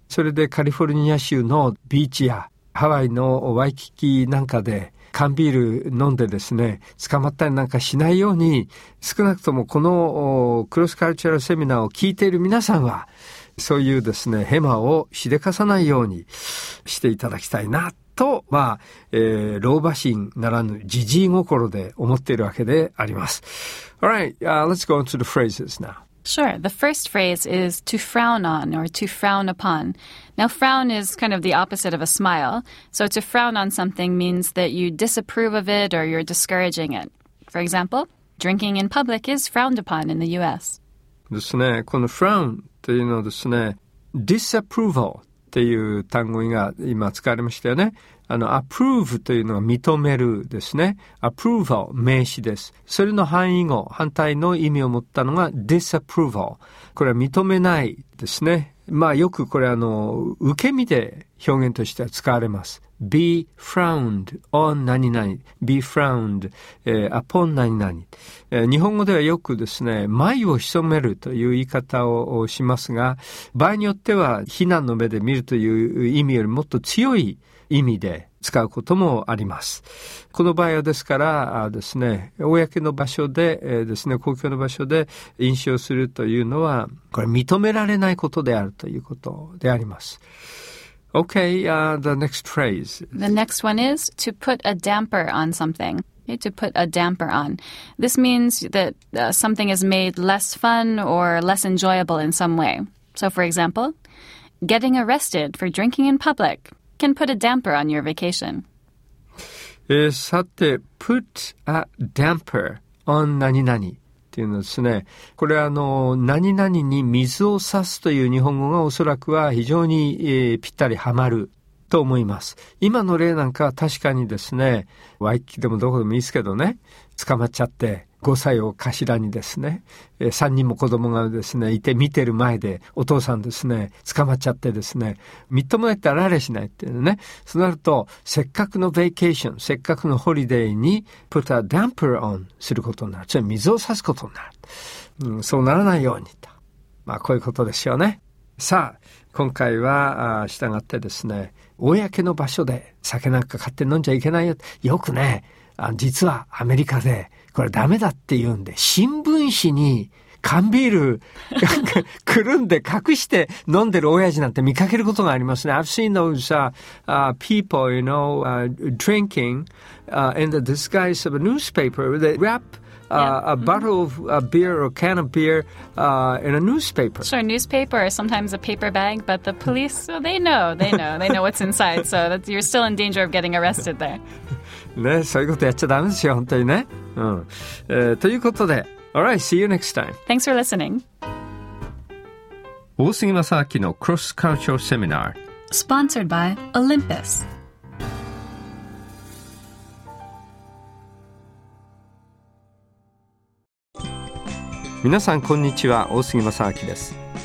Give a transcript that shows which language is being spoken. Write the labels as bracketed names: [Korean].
[Japanese] それでカリフォルニア州のビーチやハワイのワイキキなんかで缶ビール飲んでですね、捕まったりなんかしないように、少なくともこのクロスカルチャルセミナーを聞いている皆さんは、そういうですね、ヘマをしでかさないようにしていただきたいな、と、まあ、老婆心ならぬじじい心で思っているわけであります。 [English] Alright, let's go on to the phrases now. Sure. The first phrase is to frown on or to frown upon. Now, frown is kind of the opposite of a smile. So to frown on something means that you disapprove of it or you're discouraging it. For example, drinking in public is frowned upon in the U.S. [Japanese] ですね。この frown というのはですね、disapproval という単語が今使われましたよね。 approve というのは認めるですね。approval 名詞です。それの反義語、反対の意味を持ったのが disapproval。これは認めないですね。まあよくこれ受け身で表現としては使われます。 [English] be frowned on 何々、be frowned upon 何々。 [Japanese] 日本語ではよくですね、眉を潜めるという言い方をしますが、場合によっては非難の目で見るという意味よりもっと強い意味で使うこともあります。この場合はですからですね、公の場所でですね、公共の場所で飲酒をするというのは、これ認められないことであるということであります。 [English] Okay, the next phrase. The next one is to put a damper on something. To put a damper on. This means that something is made less fun or less enjoyable in some way. So for example, getting arrested for drinking in public. Can put a damper on your vacation. [Japanese] さて、 [English] put a damper on [Japanese] 何々っていうのですね。これは何々に水を差すという日本語がおそらくは非常に、ぴったりはまると思います。今の例なんかは確かにですね、ワイキキでもどこでもいいですけどね、捕まっちゃって。 5歳を頭にですね、3人も子供がですね、いて見てる前でお父さんですね、捕まっちゃってですね、みっともないってあられしないっていうね。そうなると、せっかくのベイケーション、せっかくのホリデーに、 [English] put a damper on [Japanese] することになる。つまり水を差すことになる、うん。そうならないようにと。まあ、こういうことですよね。さあ、今回は、従ってですね、公の場所で酒なんか買って飲んじゃいけないよ。よくね、実はアメリカで、これダメだって言うんで、新聞紙に缶ビールくるんで隠して飲んでる親父なんて見かけることがありますね。 [English] I've seen those people, you know, drinking in the disguise of a newspaper. They wrap a bottle of beer or can of beer in a newspaper. Sure, newspaper or sometimes a paper bag, but the police, well, they know what's inside. So that you're still in danger of getting arrested there. [Japanese] ね、そういうことやっちゃダメですよ、本当にね。ということで、 [English] Alright, see you next time. Thanks for listening. [Japanese] 大杉正明のクロスカルチャルセミナー。 [English] Sponsored by Olympus. [Japanese] みなさん、こんにちは。大杉正明です。